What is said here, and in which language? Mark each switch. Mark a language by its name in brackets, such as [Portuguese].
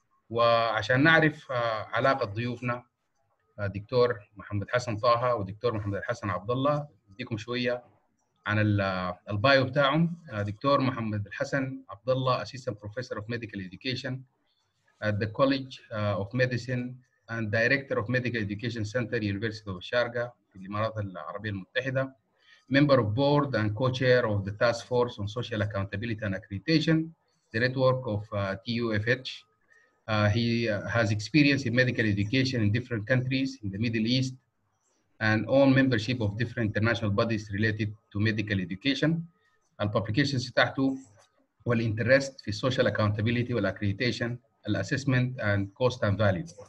[Arabic] وعشان نعرف علاقة ضيوفنا دكتور محمد حسن طه ودكتور محمد الحسن عبد الله، أديكم شوية عن البايو بتاعهم. [English] Doctor محمد الحسن عبد الله assistant professor of medical education at the College of Medicine and Director of Medical Education Center, University of Sharjah, في الإمارات العربية المتحدة. Member of Board and Co-Chair of the Task Force on Social Accountability and Accreditation, the network of TUFH. He has experience in medical education in different countries in the Middle East and own membership of different international bodies related to medical education. And publications تحته والinterest في social accountability والaccreditation الاسسمنت and cost and value.